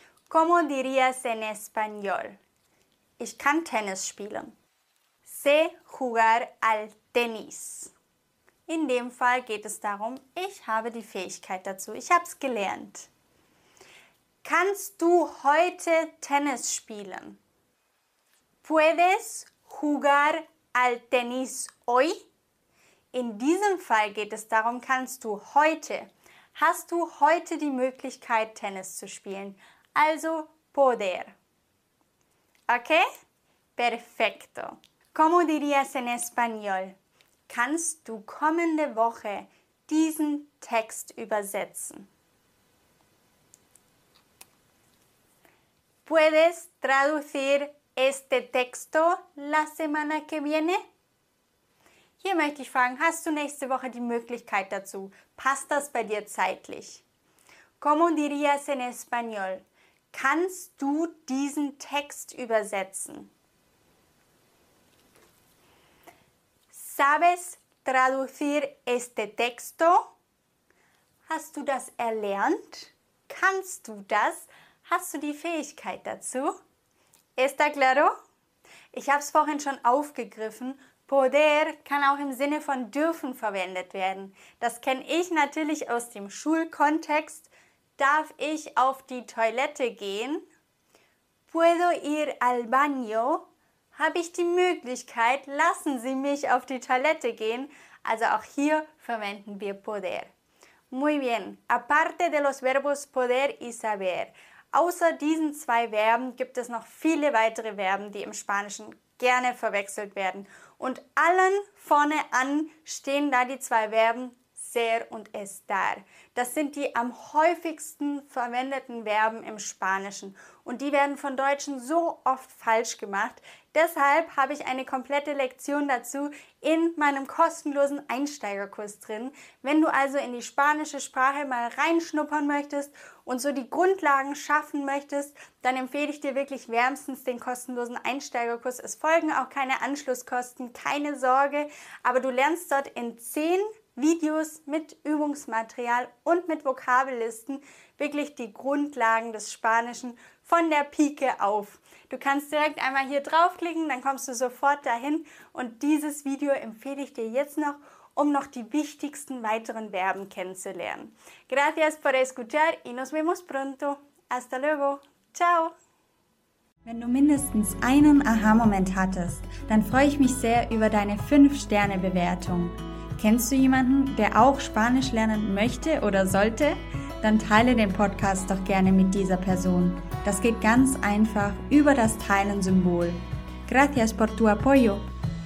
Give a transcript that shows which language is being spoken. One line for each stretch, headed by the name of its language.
Spanish: ¿Cómo dirías en español?
German: Ich kann Tennis spielen.
Spanish: Sé jugar al tenis.
German: In dem Fall geht es darum, ich habe die Fähigkeit dazu. Ich habe es gelernt. Kannst du heute Tennis spielen?
Spanish: ¿Puedes jugar al tenis hoy?
German: In diesem Fall geht es darum, kannst du heute. Hast du heute die Möglichkeit, Tennis zu spielen? Also poder. Okay?
Spanish: Perfecto. ¿Cómo dirías en español?
German: Kannst du kommende Woche diesen Text übersetzen?
Spanish: ¿Puedes traducir este texto la semana que viene?
German: Hier möchte ich fragen, hast du nächste Woche die Möglichkeit dazu? Passt das bei dir zeitlich?
Spanish: ¿Cómo dirías en español?
German: Kannst du diesen Text übersetzen?
Spanish: ¿Sabes traducir este texto?
German: Hast du das erlernt? Kannst du das? Hast du die Fähigkeit dazu?
Spanish: ¿Está claro?
German: Ich habe es vorhin schon aufgegriffen. Poder kann auch im Sinne von dürfen verwendet werden. Das kenne ich natürlich aus dem Schulkontext. Darf ich auf die Toilette gehen?
Spanish: ¿Puedo ir al baño?
German: Habe ich die Möglichkeit, lassen Sie mich auf die Toilette gehen? Also auch hier verwenden wir poder.
Spanish: Muy bien. Aparte de los verbos poder y saber.
German: Außer diesen zwei Verben gibt es noch viele weitere Verben, die im Spanischen gerne verwechselt werden. Und allen vorne an stehen da die zwei Verben ser und estar. Das sind die am häufigsten verwendeten Verben im Spanischen. Und die werden von Deutschen so oft falsch gemacht. Deshalb habe ich eine komplette Lektion dazu in meinem kostenlosen Einsteigerkurs drin. Wenn du also in die spanische Sprache mal reinschnuppern möchtest und so die Grundlagen schaffen möchtest, dann empfehle ich dir wirklich wärmstens den kostenlosen Einsteigerkurs. Es folgen auch keine Anschlusskosten, keine Sorge, aber du lernst dort in 10 Videos mit Übungsmaterial und mit Vokabellisten wirklich die Grundlagen des Spanischen von der Pike auf. Du kannst direkt einmal hier draufklicken, dann kommst du sofort dahin. Und dieses Video empfehle ich dir jetzt noch, um noch die wichtigsten weiteren Verben kennenzulernen.
Spanish: Gracias por escuchar y nos vemos pronto. Hasta luego. Ciao.
German: Wenn du mindestens einen Aha-Moment hattest, dann freue ich mich sehr über deine 5-Sterne-Bewertung. Kennst du jemanden, der auch Spanisch lernen möchte oder sollte? Dann teile den Podcast doch gerne mit dieser Person. Das geht ganz einfach über das Teilen-Symbol.
Spanish: Gracias por tu apoyo.